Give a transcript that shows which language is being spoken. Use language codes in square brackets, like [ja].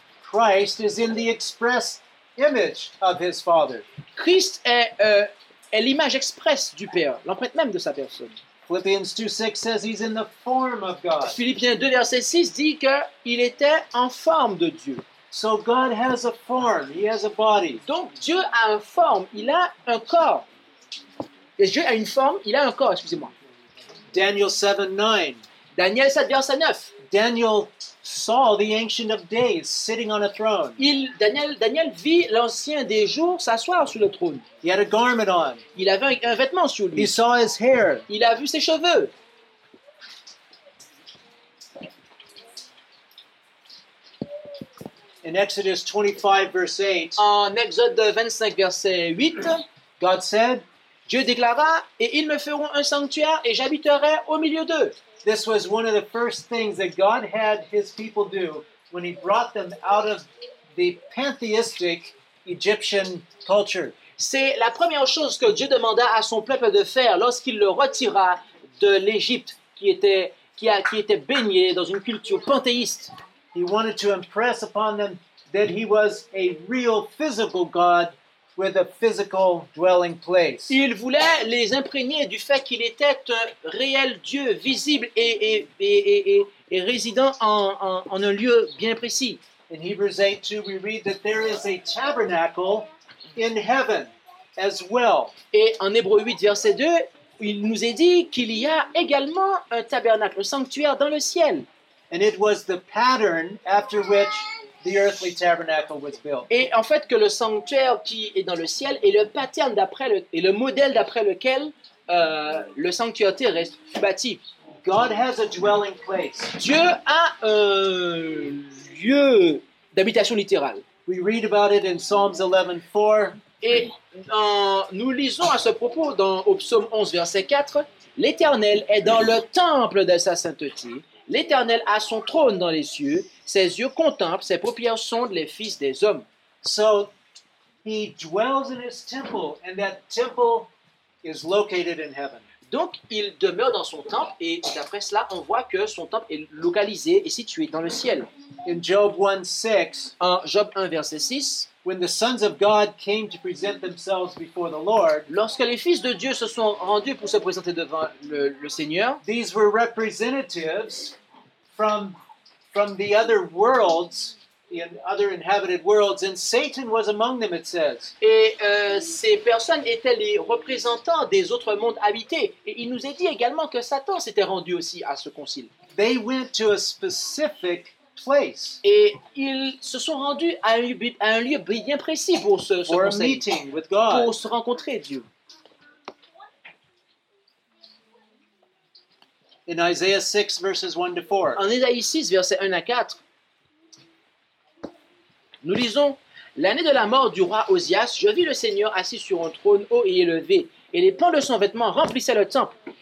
[en] Christ is in the express image of his Father. [fr] Christ est l'image expresse du Père, l'empreinte même de sa personne. [en] Philippians 2:6 says he's in the form of God. [fr] Philippiens 2 verset 6 dit que il était en forme de Dieu. [en] So God has a form, he has a body. [fr] Donc Dieu a une forme, il a un corps. Et Dieu a une forme, il a un corps, excusez-moi. [en] Daniel 7:9. [fr] Daniel 7 verset 9. [en] Daniel saw the Ancient of Days sitting on a throne. [fr] Daniel vit l'Ancien des Jours s'asseoir sur le trône. [en] He had a garment on. [fr] Il avait un vêtement sur lui. [en] He saw his hair. [fr] Il a vu ses cheveux. [en] In Exodus 25 verse 8. [fr] En Exode 25 verset 8, [en] God said, [fr] Dieu déclara, et ils me feront un sanctuaire et j'habiterai au milieu d'eux. [en] This was one of the first things that God had his people do when he brought them out of the pantheistic Egyptian culture. [fr] C'est la première chose que Dieu demanda à son peuple de faire lorsqu'il le retira de l'Égypte qui était baigné dans une culture panthéiste. [en] He wanted to impress upon them that he was a real physical God with a physical dwelling place. [fr] Il voulait les imprégner du fait qu'il était un réel Dieu visible et résident en un lieu bien précis. [en] In Hebrews 8:2, we read that there is a tabernacle in heaven as well. [fr] Et en Hébreux 8 verset 2, il nous est dit qu'il y a également un tabernacle, un sanctuaire dans le ciel. [en] And it was the pattern after which the earthly tabernacle was built. [fr] Et en fait, que le sanctuaire qui est dans le ciel est le pattern d'après et le modèle d'après lequel le sanctuaire terrestre fut bâti. [en] God has a dwelling place. [fr] Dieu a un lieu d'habitation littérale. [en] We read about it in Psalms 11:4. [fr] Et nous lisons à ce propos dans au psaume 11, verset 4, l'Éternel est dans le temple de sa sainteté. L'Éternel a son trône dans les cieux, ses yeux contemplent, ses paupières sondent les fils des hommes. [en] So, he dwells in his temple, and that temple is located in heaven. [fr] Donc, il demeure dans son temple, et d'après cela, on voit que son temple est localisé et situé dans le ciel. [en] In Job 1:6, [fr] en Job 1, verset 6, [en] when the sons of God came to present themselves before the Lord, [fr] lorsque les fils de Dieu se sont rendus pour se présenter devant le Seigneur, [en] these were representatives from the other worlds, in other inhabited worlds, and Satan was among them, it says. [fr] Et ces personnes étaient les représentants des autres mondes habités. Et il nous est dit également que Satan s'était rendu aussi à ce concile. [en] They went to a specific place. [fr] Et ils se sont rendus à un lieu bien précis pour ce [en] or [fr] conseil, [en] a meeting with God. [fr] Pour se rencontrer Dieu. [en] In Isaiah 6, verses 1 to 4. [fr] En Isaïe 6, versets 1 à 4, nous lisons, l'année de la mort du roi Ozias, je vis le Seigneur assis sur un trône haut et élevé, et les pans de son vêtement remplissaient le temple.